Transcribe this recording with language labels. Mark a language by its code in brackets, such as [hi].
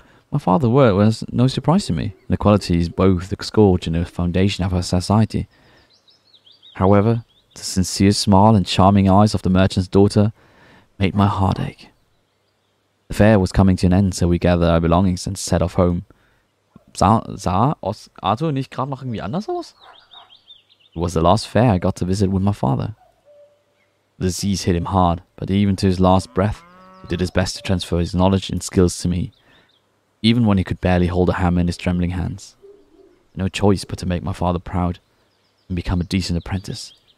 [en] My father's words were no surprise to me. The quality is both the scourge and the foundation of our society. However, the sincere smile and charming eyes of the merchant's daughter made my heart ache. The fair was coming to an end, so we gathered our belongings and set off home. [de] Sah Arthur nicht gerade noch irgendwie anders aus? [en] It was the last fair I got to visit with my father. The disease hit him hard, but even to his last breath, he did his best to transfer his knowledge and skills to me, even when he could barely hold a hammer in his trembling hands. No choice but to make my father proud and become a decent apprentice.